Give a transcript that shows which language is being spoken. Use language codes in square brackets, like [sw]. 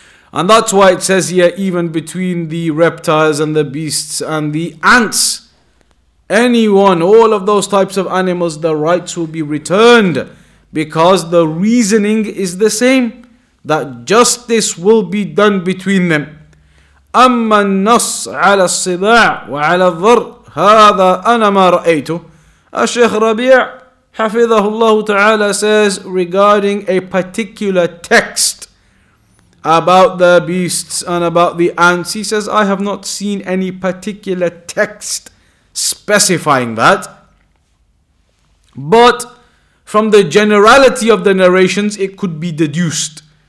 [en] And that's why it says here, even between the reptiles and the beasts and the ants, anyone, all of those types of animals, the rights will be returned, because the reasoning is the same, that justice will be done between them. [ar] أَمَّا النَّصْ عَلَى الصِّبَاعِ وَعَلَى الظَّرْ هَذَا أَنَا مَا رَأَيْتُ. [en] الشيخ ربيع [ar] حفظه الله تعالى [en] says regarding a particular text about the beasts and about the ants, he says, I have not seen any particular text specifying that, but from the generality of the narrations it could be deduced.